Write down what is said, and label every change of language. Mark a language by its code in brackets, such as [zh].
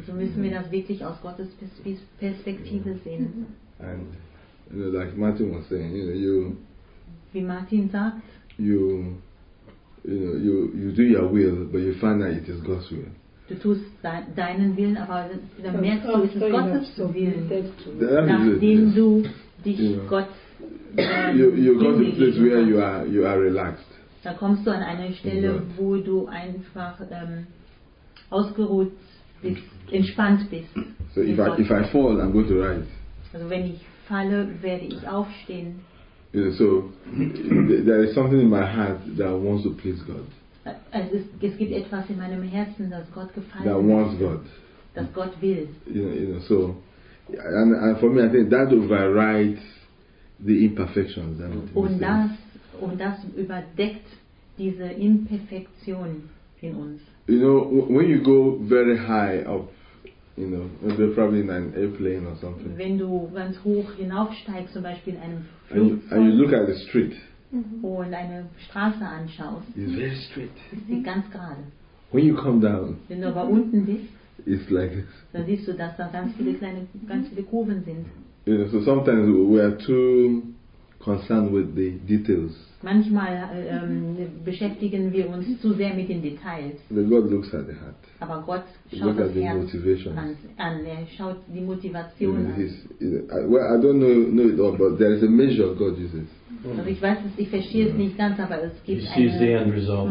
[de] So müssen wir das wirklich aus Gottes Perspektive sehen. [en] And you know, like Martin was saying, you know, [de] wie Martin sagt, [en] you do your will, but you find that it is God's will. [de] Du tust deinen Willen, aber dann merkst du, es ist Gottes Willen, nachdem du dich Gott [en] you are relaxed. [de] Da kommst du an eine Stelle, wo du einfach ausgeruht bist, entspannt bist. [en] So if I fall, I'm going to rise. [de] Also wenn ich falle, werde ich aufstehen. [en] You know, so there is something in my heart that wants to please God. [de] Es gibt etwas in meinem Herzen, das Gott gefallen. [en] That wants God. [de] Das Gott will. [en] You know, so, and for me, I think that overrides the imperfections. [de] Und das und das überdeckt diese Imperfektion in uns. [en] You know, when you go very high up, you know, maybe probably in an airplane or something. [de] Wenn du ganz hoch hinaufsteigst, zum Beispiel in einem Flugzeug. [en] And you look at the street. [de] Mm-hmm. Und eine Straße anschaust. [en] It's very straight. [de] Ist sie ganz gerade. [en] When you come down. [de] Wenn du aber unten bist. [en] It's like this. [de] Dann siehst du, dass da ganz viele kleine, ganz viele Kurven sind. [en] You know, so sometimes we are too concerned with the details. [de] Manchmal beschäftigen wir uns zu sehr mit den Details. [en] But God looks at the heart. [de] Aber Gott schaut das Herz an. Er schaut die Motivation an. [en] I don't know it all, but there is a measure God uses. [de] Also ich weiß es, ich verstehe es nicht ganz, aber es gibt einen